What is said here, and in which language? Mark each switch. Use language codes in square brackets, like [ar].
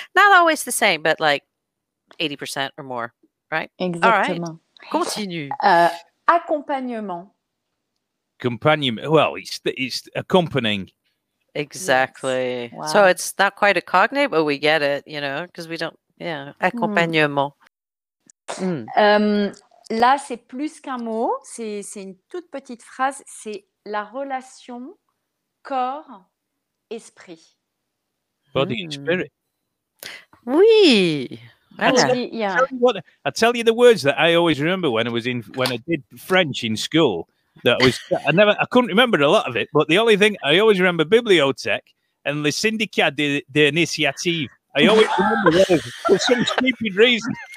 [en] Not always the same, but like 80% or more, right? Exactly. All right, continue. [fr] Accompagnement. [en] Well, it's accompanying. Exactly. Yes. Wow. So it's not quite a cognate, but we get it, you know, because we don't, accompagnement. [fr] Là, c'est plus qu'un mot, c'est une toute petite phrase, c'est la relation corps-esprit. [en] Body and spirit. [fr] Oui. [en] I tell you the words that I always remember when I did French in school. I couldn't remember a lot of it, but the only thing I always remember, bibliothèque and le syndicat de l'initiative. I always remember those for some stupid reason.